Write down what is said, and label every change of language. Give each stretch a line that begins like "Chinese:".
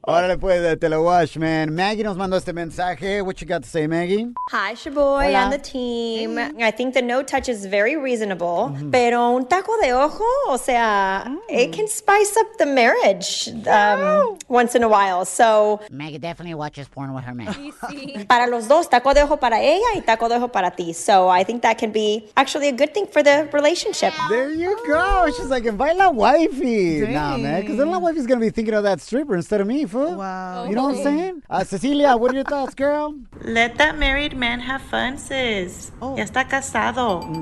Spanish: Ahora le puede, te lo wash, man. Maggie nos mandó este mensaje.
English: What you got to say, Maggie? Hi, Shaboy and the team. Mm-hmm. I think the no touch is very reasonable, pero un taco de ojo, o sea, it can spice up the marriage once in a while. So Maggie definitely watches porn with her man.
Spanish: Para los dos, taco de ojo para ella y taco de ojo para ti.
English: So I think that can be actually a good thing for the relationship. There you go. She's like, invite la wifey. Dang. Nah, man, because then la wifey's going to be thinking of that stripper instead of me, fool. Wow. Okay. You know what I'm saying? Cecilia, what are your thoughts, girl? Let that married man have fun, sis. Ya está casado.